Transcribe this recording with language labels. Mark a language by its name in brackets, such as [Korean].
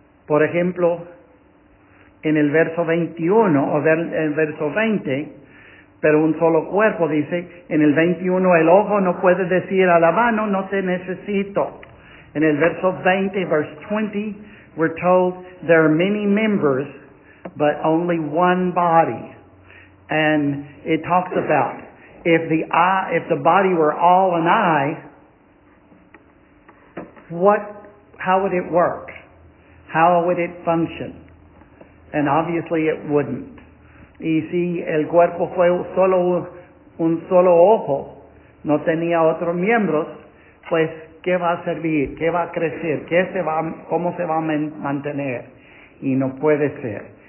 [Spanish] Por ejemplo, en el verso 21, o el verso 20, pero un solo cuerpo, dice, en el 21 el ojo no puede decir a la mano, no te necesito. En el verso 20, [English] verse 20, we're told there are many members, but only one body. And it talks about if the body were all an eye, how would it work? How would it function? And obviously it wouldn't. [Spanish] Y si el cuerpo fue solo un solo ojo, no tenía otros miembros, pues ¿qué va a servir? ¿Qué va a crecer? ¿Cómo se va a mantener? Y no puede ser.